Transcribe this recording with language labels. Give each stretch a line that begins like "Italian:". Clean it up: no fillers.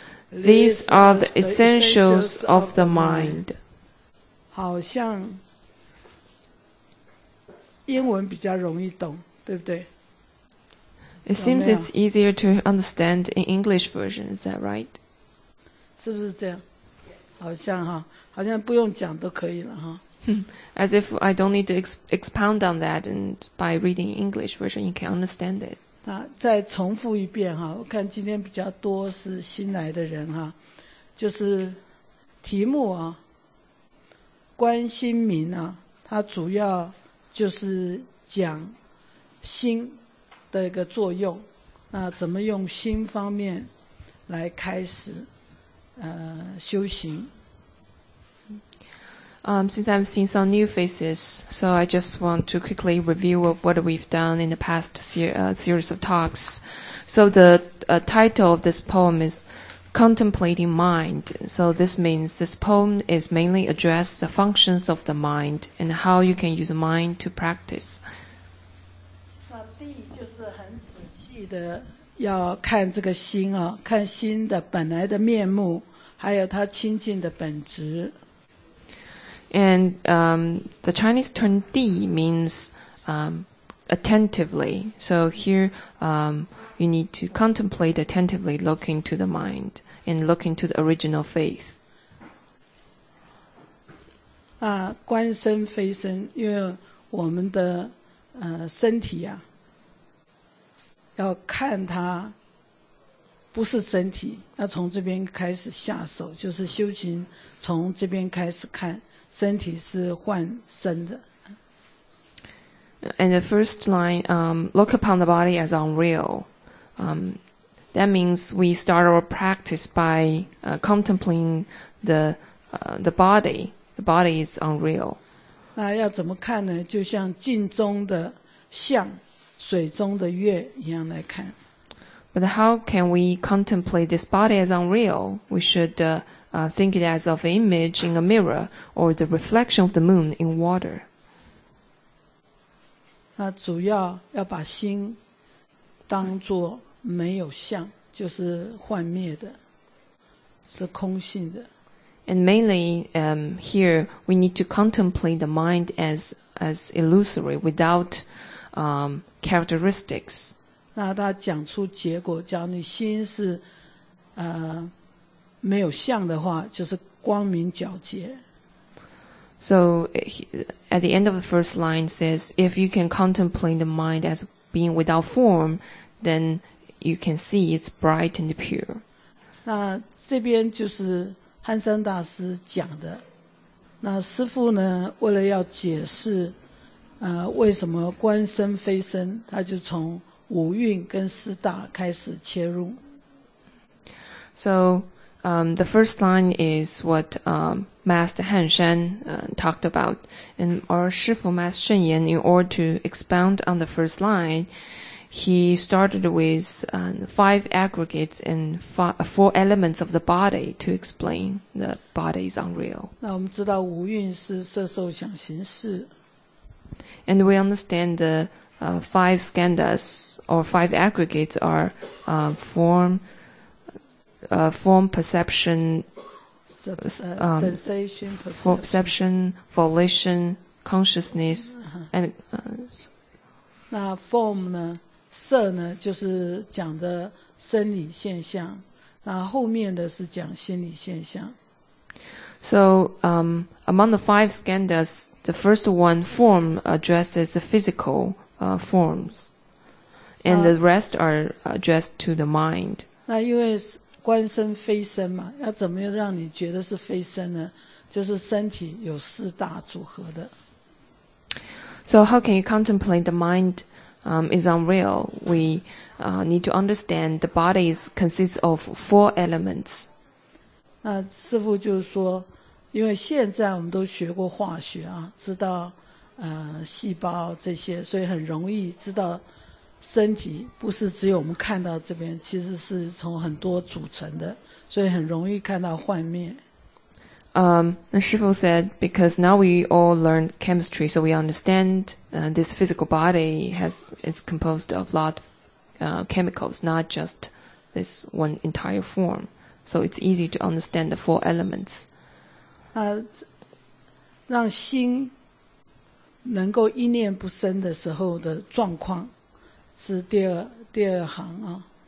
English: These are the essentials of the mind.
Chinese: 好像英文比较容易懂，对不对？
English: It seems it's easier to understand in English version, is that right?
Chinese: 是不是这样？好像哈，好像不用讲都可以了哈。
English: As if I don't need to expound on that, and by reading English version, you can understand it.
Chinese: 那再重复一遍哈，我看今天比较多是新来的人哈，就是题目啊，观心明啊，它主要就是讲心的一个作用，那怎么用心方面来开始修行。
English: Since I've seen some new faces, so I just want to quickly review what we've done in the past series of talks. So the title of this poem is Contemplating Mind. So this means this poem is mainly addressed the functions of the mind and how you can use mind to practice.
Chinese: 那D就是很仔细的要看这个心啊，看心的本来的面目，还有它清净的本质。
English: And the Chinese term di means attentively. So here you need to contemplate attentively, look into the mind and look into the original faith.
Chinese: 观身非身，因为我们的身体啊，要看它不是身体，要从这边开始下手，就是修行从这边开始看。身体是幻身的。
English: And the first line, look upon the body as unreal. That means we start our practice by contemplating the body. The body is unreal.
Chinese: 那要怎么看呢？就像镜中的像，水中的月一样来看。
English: But how can we contemplate this body as unreal? We should think it as of an image in a mirror or the reflection of the moon in water.
Chinese: 那主要要把心当作没有相，就是幻灭的，是空性的。
English: And mainly, here we need to contemplate the mind as illusory without, characteristics.
Chinese: 那他讲出结果，假如你心是，没有相的话，就是光明皎洁。
English: So at the end of the first line says, if you can contemplate the mind as being without form, then you can see it's bright and pure.
Chinese: 那这边就是憨山大师讲的，那师父呢，为了要解释，为什么观身非身，他就从五蕴跟四大开始切入。
English: So, the first line is what Master Han Shan talked about, and our 师父 Master Shen Yan, in order to expound on the first line, he started with five aggregates and four elements of the body to explain the body is unreal.
Chinese: 那我们知道五蕴是色受想行识。
English: And we understand the five skandhas or five aggregates are form, perception, sensation, perception, volition, consciousness, and
Chinese: 那 form 呢？色呢？就是讲的生理现象。那后面的是讲心理现象。
English: So, among the five skandhas, the first one, form, addresses the physical, forms. And the rest are addressed to the mind.
Chinese: 那因为观身非身嘛，要怎么让你觉得是非身呢？就是身体有四大组合的。
English: So how can you contemplate the mind, is unreal? We, need to understand the body consists of four elements.
Chinese: 那师父就是说，因为现在我们都学过化学啊，知道细胞这些，所以很容易知道身体不是只有我们看到这边，其实是从很多组成的，所以很容易看到幻灭。那师父
English: said, because now we all learn chemistry, so we understand this physical body is composed of a lot of chemicals, not just this one entire form. So it's easy to understand the four elements.
Chinese: 让心能够一念不生的时候的状况是第二行啊。